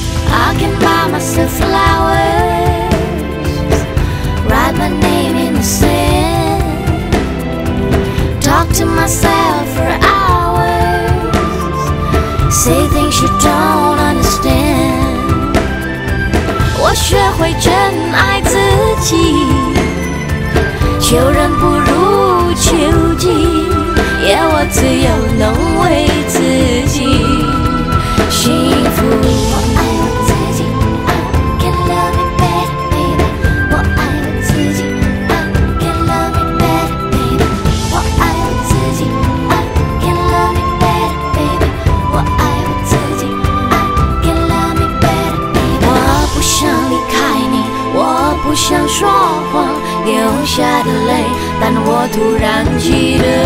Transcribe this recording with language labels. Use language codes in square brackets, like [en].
[en] I can buy myself flowers, write my name in the sand, talk to myself for hours, say things you don't understand. [zh] 我学会珍爱自己，求人不如求己，也我自由能为自己幸福。 [en] 我爱我自己， I can love me better baby， 我爱我自己， I can love me better baby， 我爱我自己， I can love me better baby， 我爱我自己， I can love me better baby。 [zh] 我不想离开你，我不想说谎，流下的泪，但我突然记得。